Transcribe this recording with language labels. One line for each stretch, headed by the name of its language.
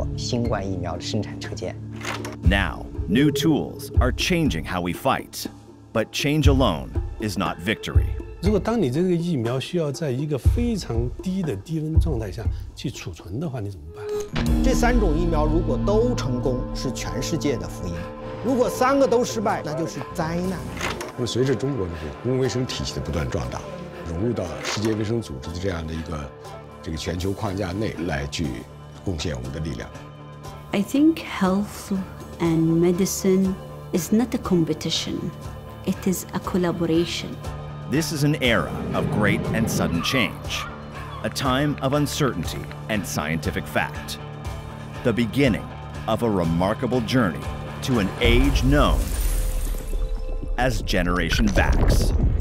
Chinese: 新冠病毒的操作要在P3级的实验室操作，以前没见过这个车间啊，这是第一个中国新冠疫苗的生产车间。
English: Now, new tools are changing how we fight, but change alone is not victory.
Chinese: 如果当你这个疫苗需要在一个非常低的低温状态下去储存的话，你怎么办？这三种疫苗如果都成功，是全世界的福音；如果三个都失败，那就是灾难。那么随着中国的公卫生体系的不断壮大，融入到世界卫生组织的这样的一个全球框架内来去贡献我们的力量。
English: I think health and medicine is not a competition; it is a collaboration. This is an era of great and sudden change, a time of uncertainty and scientific fact, the beginning of a remarkable journey to an age known as Generation Vax.